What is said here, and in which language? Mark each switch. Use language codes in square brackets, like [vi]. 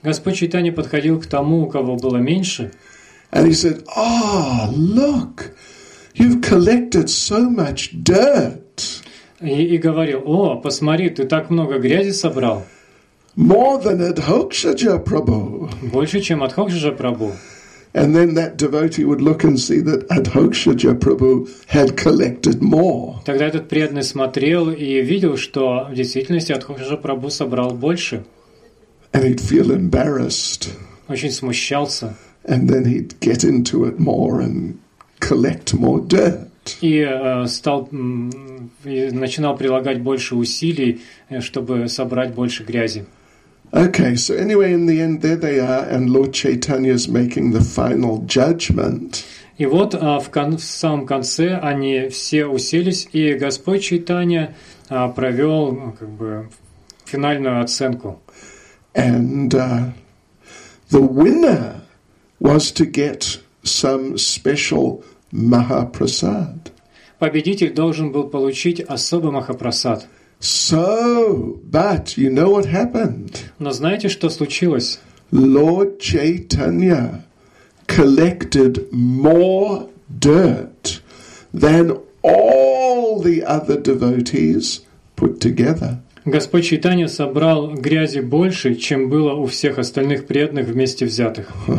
[ru] Господь Чайтанья подходил к тому, у кого было меньше. [en] And he said, "Ah, look, you've collected so much dirt." [ru] И говорил: «О, посмотри, ты так много грязи собрал». [en] More than Adhokshaja Prabhu. [ru] Больше, чем Адхокшаджа Прабху. [en] And then that devotee would look and see that Adhokshaja Prabhu had collected more. [ru] Тогда этот преданный смотрел и видел, что в действительности Адхокшаджа Прабху собрал больше. [en] And he'd feel embarrassed. [ru] Очень смущался. [en] And then he'd get into it more and collect more dirt. [ru] И стал и начинал прилагать больше усилий, чтобы собрать больше грязи. [en] Okay, so anyway, in the end, there they are, and Lord Chaitanya is making the final judgment. [ru] И вот в самом конце они все уселись, и Господь Чайтанья провел как бы финальную оценку. [en] And the winner was to get some special Mahaprasad. [ru] Победитель должен был получить особый Махапрасад. [en] So, but you know what happened? [ru] Но знаете, что случилось? [en] Lord Chaitanya collected more dirt than all the other devotees put together. [ru] Господь Чайтанья собрал грязи больше, чем было у всех остальных преданных вместе взятых.